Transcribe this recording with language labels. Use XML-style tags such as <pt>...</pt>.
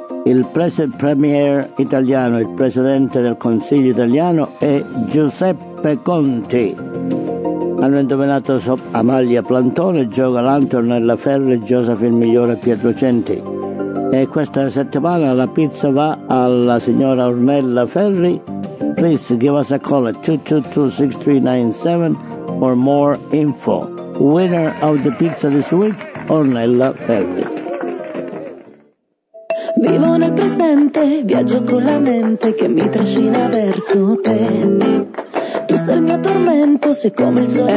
<it>Il premier italiano, il presidente del Consiglio italiano è Giuseppe Conte. Hanno indovinato Amalia Plantone, Gioia Antonella Ferri, Josephine Migliore, Pietro Centi. E questa settimana la pizza va alla signora Ornella Ferri.</it> <en>Please give us a call at 222-6397 for more info. Winner of the pizza this week, Ornella Feltri.</en> <it>Vivo nel presente, viaggio con la mente che mi trascina verso te. Tu sei il mio tormento, sei come il sole</it>